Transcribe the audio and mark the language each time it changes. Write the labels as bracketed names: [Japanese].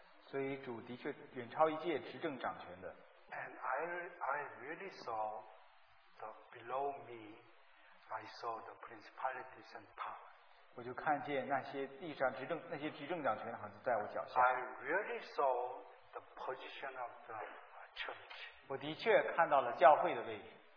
[Chinese] 所以主的确远超一界执政掌权的。 [English] And I really saw the below me, I saw the principalities and powers. [Chinese] 我就看见那些地上执政掌权的好像在我脚下。 [English] I really saw the position of the church. [Chinese] 我的确看到了教会的位置。